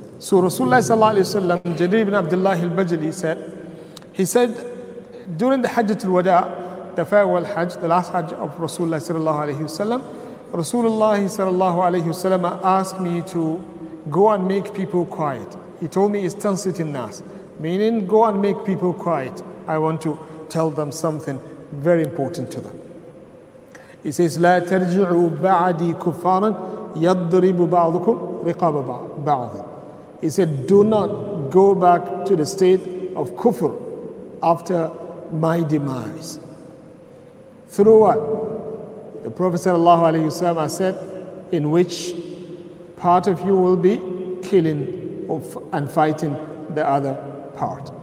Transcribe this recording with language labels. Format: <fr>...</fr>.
<en>So Rasulullah sallallahu alayhi wa sallam, Jarir ibn Abdullah al-Bajali said, he said during the Hajjat al-Wada, the farewell Hajj, the last Hajj of Rasulullah sallallahu alayhi wa sallam, Rasulullah sallallahu alayhi wa sallam asked me to go and make people quiet. He told me it's tansitin nas, meaning go and make people quiet. I want to tell them something very important to them. He says,</en> <ar>لا ترجعوا بعدي كفارا يضرب بعضكم رقاب بعض.</ar> <en>He said, do not go back to the state of kufr after my demise. Through what? The Prophet sallallahu alayhi wa sallam said, in which part of you will be killing of and fighting the other part.</en>